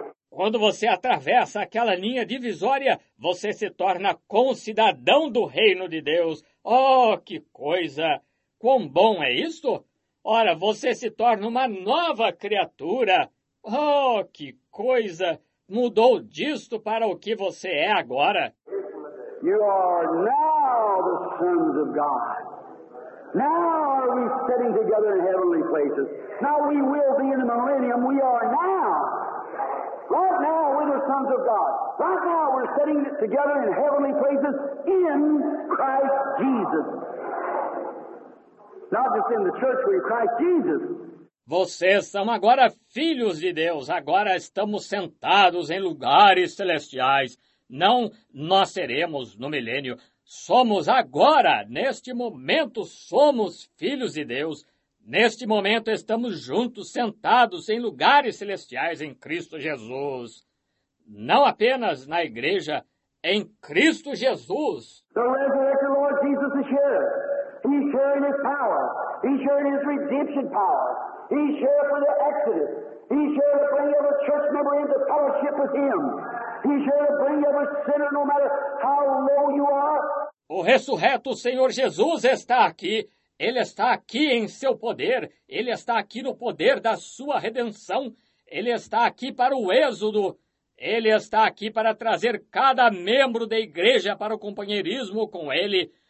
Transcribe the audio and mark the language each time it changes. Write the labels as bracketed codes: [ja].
[pt] Quando você atravessa aquela linha divisória, você se torna concidadão do reino de Deus. Oh, que coisa! Quão bom é isto? Ora, você se torna uma nova criatura. Oh, que coisa! Mudou disto para o que você é agora. [en] You are now the sons of God. Now are we sitting together in heavenly places. Now we will be in the millennium. We are now. Right now we're the sons of God. Right now we're sitting together in heavenly places in Christ Jesus. Not just in the church, we're Christ Jesus. [pt] Vocês são agora filhos de Deus. Agora estamos sentados em lugares celestiais. Não nós seremos no milênio. Somos agora, neste momento, somos filhos de Deus. Neste momento, estamos juntos, sentados em lugares celestiais em Cristo Jesus. Não apenas na igreja, em Cristo Jesus. [en] The resurrected Lord Jesus is here. He's sharing his power. He's sharing his redemption power. He's here for the exodus. He's here to bring every church member into fellowship with him. He's here to bring every sinner, no matter how low you are. [pt] O ressurreto Senhor Jesus está aqui. Ele está aqui em seu poder. Ele está aqui no poder da sua redenção. Ele está aqui para o êxodo. Ele está aqui para trazer cada membro da igreja para o companheirismo com ele.